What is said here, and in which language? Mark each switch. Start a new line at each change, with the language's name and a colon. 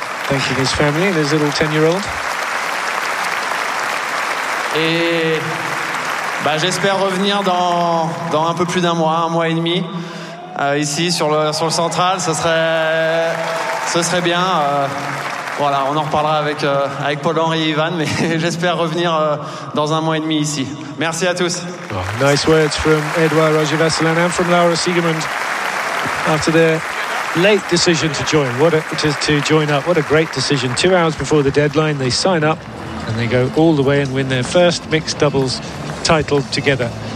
English: Thank you, his family, his little 10-year-old.
French: Et j'espère revenir dans un peu plus d'un mois, un mois et demi, ici sur le central. Ce serait bien. Voilà, on en reparlera avec Paul-Henri et Ivan, mais j'espère revenir dans un mois et demi ici. Merci à tous.
English: Oh, nice words from Edouard Roger-Vasselin and from Laura Siegemund after the late decision to join. To join up. What a great decision. 2 hours before the deadline, they sign up and they go all the way and win their first mixed doubles title together.